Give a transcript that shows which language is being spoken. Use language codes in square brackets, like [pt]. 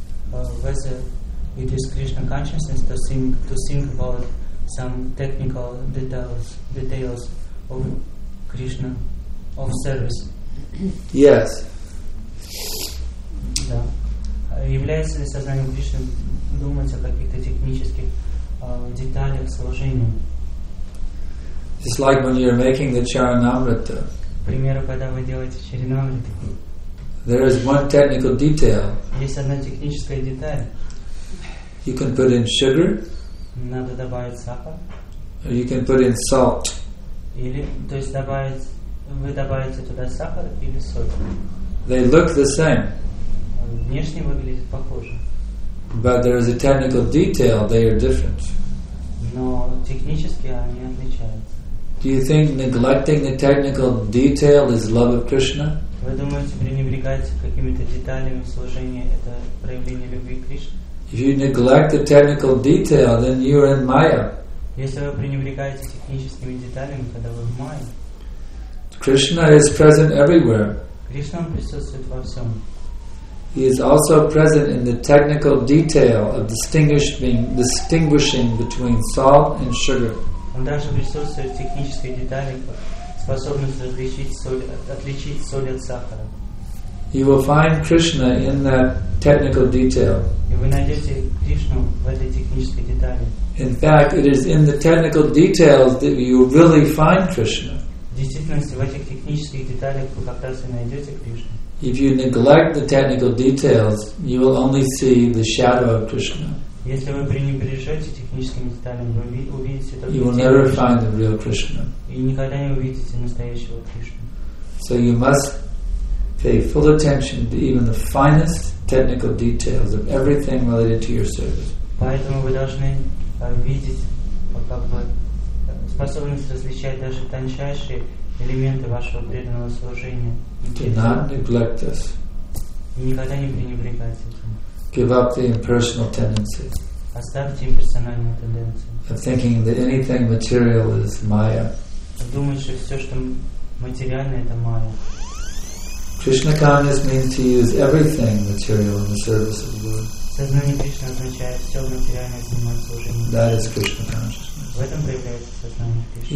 [en] Whether it is Krishna consciousness to think about some technical details of Krishna of service? Yes. [ru] Да. Является ли сознание Кришны думать о каких-то технических деталях служения? [en] It's like when you're making the charanamrita. [ru] Примеру, когда вы делаете чаринамриту. [en] There is one technical detail. [ru] Есть одна техническая деталь. [en] You can put in sugar. [ru] Надо добавить сахар. [en] Or you can put in salt. [ru] Или, то есть добавить, вы добавите туда сахар или соль. [en] They look the same. [ru] Внешне выглядит похоже. [en] But there is a technical detail, they are different. [ru] Но технически они отличаются. [en] Do you think neglecting the technical detail is love of Krishna? [ru] Вы думаете, пренебрегать какими-то деталями служения – это проявление любви к Кришне? [en] If you neglect the technical detail, then you are in Maya. [ru] Если вы пренебрегаете техническими деталями, когда вы в Майе. [en] Krishna is present everywhere. [ru] Кришна присутствует во всем. [en] He is also present in the technical detail of distinguishing between salt and sugar. [ru] Он также присутствует в технической детали, способности отличить соль от сахара. [en] You will find Krishna in that technical detail. [ru] И вы найдете Кришну в этой технической детали. [en] In fact, it is in the technical details that you really find Krishna. [ru] В действительности, в этих технических деталях вы как раз и найдете Кришну. [en] If you neglect the technical details, you will only see the shadow of Krishna. [ru] Если вы пренебрежете техническими деталями, вы увидите только [en] Krishna. You will never find the real Krishna. [ru] И никогда не увидите настоящего Кришну. [en] So you must pay full attention to even the finest technical details of everything related to your service. [ru] Поэтому вы должны видеть, как бы способность различать даже тончайшие элементы вашего преданного служения. [en] Do not neglect this. [ru] Никогда не пренебрегайте этим. [en] Give up the impersonal tendency. [ru] Оставьте имперсональную тенденцию. [en] Of thinking that anything material is Maya. [ru] Думать, что все, что материальное, это Maya. [en] Krishna consciousness means to use everything material in the service of the Lord. [ru] Сознание Кришны означает все материальное занимать служение. [en] That is Krishna consciousness. [ru] В этом проявляется сознание Кришны.